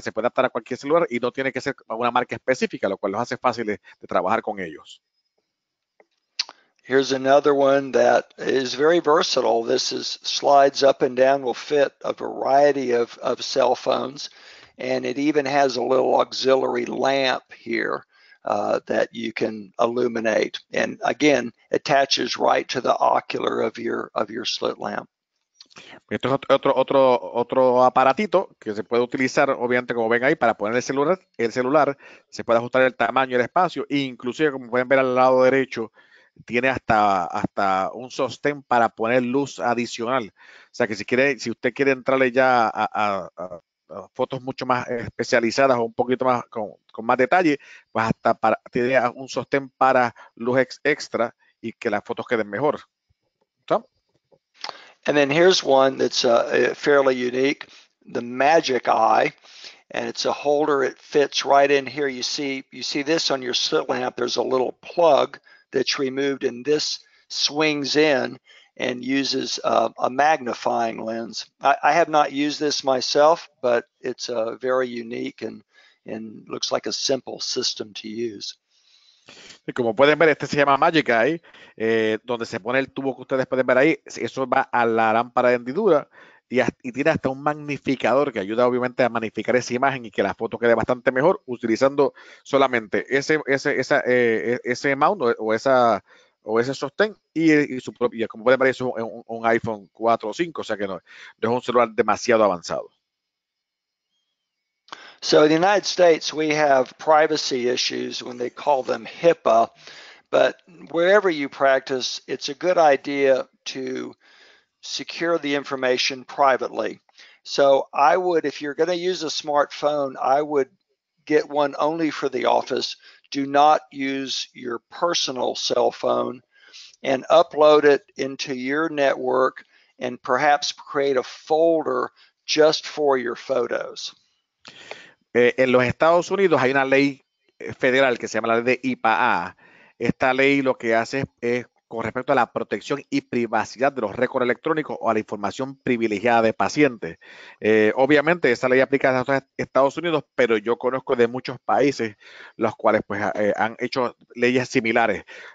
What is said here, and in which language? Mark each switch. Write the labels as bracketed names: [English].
[Spanish] Se puede adaptar a cualquier celular y no tiene que ser una marca específica, lo cual los hace fáciles de trabajar con ellos. [English] Here's another one that is very versatile. This is slides up and down, will fit a variety of cell phones, and it even has a little auxiliary lamp here that you can illuminate, and again attaches right to the ocular of your slit lamp. [Spanish] Esto es otro aparatito que se puede utilizar, obviamente, como ven ahí, para poner el celular, se puede ajustar el tamaño y el espacio, e inclusive, como pueden ver al lado derecho, tiene hasta un sostén para poner luz adicional. O sea, que si usted quiere entrarle ya a fotos mucho más especializadas o un poquito más con más detalle, pues hasta para, tiene un sostén para luz extra y que las fotos queden mejor. [English] And then here's one that's fairly unique, the magic eye, and it's a holder. It fits right in here. You see this on your slit lamp. There's a little plug that's removed, and this swings in and uses a magnifying lens. I have not used this myself, but it's a very unique and looks like a simple system to use. [Spanish] Como pueden ver, este se llama Magic Eye, donde se pone el tubo que ustedes pueden ver ahí, eso va a la lámpara de hendidura, y tiene hasta un magnificador que ayuda obviamente a magnificar esa imagen y que la foto quede bastante mejor utilizando solamente ese mount o ese sostén y como pueden ver es un iPhone 4 o 5, o sea que no es un celular demasiado avanzado. [English] So in the United States, we have privacy issues when they call them HIPAA, but wherever you practice, it's a good idea to secure the information privately. So I would, if you're going to use a smartphone, I would get one only for the office. Do not use your personal cell phone and upload it into your network and perhaps create a folder just for your photos. [Spanish] En los Estados Unidos hay una ley federal que se llama la ley de IPAA. Esta ley lo que hace es con respecto a la protección y privacidad de los récords electrónicos o a la información privilegiada de pacientes. Obviamente, esa ley aplica a Estados Unidos, pero yo conozco de muchos países los cuales pues, han hecho leyes similares.